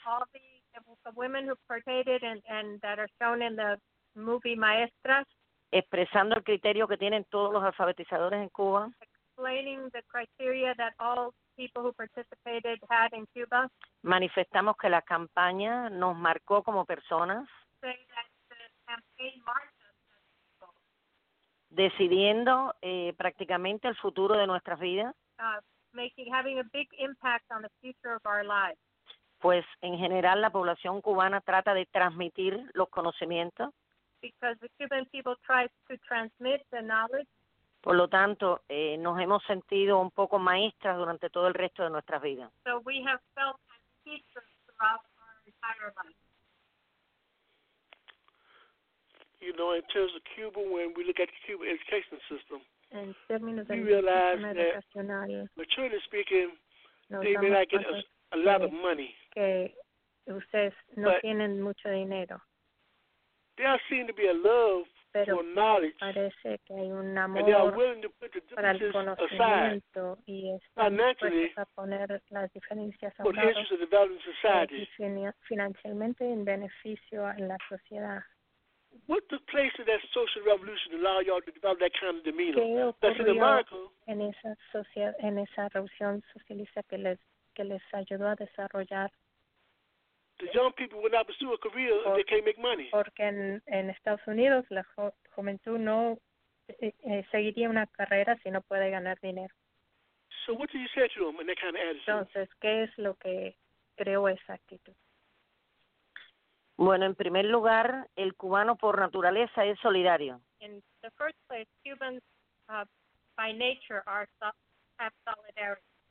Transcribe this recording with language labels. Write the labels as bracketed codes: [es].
[en] All the women who participated and that are shown in the movie Maestras. [es] Expresando el criterio que tienen todos los alfabetizadores en Cuba. [en] Explaining the criteria that all people who participated had in Cuba. [es] Manifestamos que la campaña nos marcó como personas. [en] Saying that the campaign marked us as people. [es] Decidiendo prácticamente el futuro de nuestras vidas. [en] Having a big impact on the future of our lives. [es] Pues en general la población cubana trata de transmitir los conocimientos. [en] Because the Cuban people tries to transmit the knowledge. [es] Por lo tanto, nos hemos sentido un poco maestras durante todo el resto de nuestras vidas. [en] So we have felt as teachers throughout our entire life. You know, in terms of Cuba, when we look at the Cuban education system, we realize that, maturely speaking, they may not get a lot of money. [es] Que ustedes no tienen mucho dinero. [en] There seems to be a love [es] pero [en] for knowledge, [es] parece que hay un amor, [en] and they are willing to put the differences aside, financially, [es] a poner las diferencias [en] for the interest of developing society. [es] Financialmente en beneficio a la sociedad. [en] What took place in that social revolution to allow y'all to develop that kind of demeanor? That's in America. [es] En esa revolución socialista que les ayudó a desarrollar. [en] The young people would not pursue a career if they can't make money. [es] Porque en Estados Unidos la juventud no seguiría una carrera si no puede ganar dinero. [en] So what did you say to them in that kind of attitude? [es] Entonces, ¿qué es lo que creó esa actitud? Bueno, en primer lugar, el cubano por naturaleza es solidario. [en] In the first place, Cubans by nature have solidarity.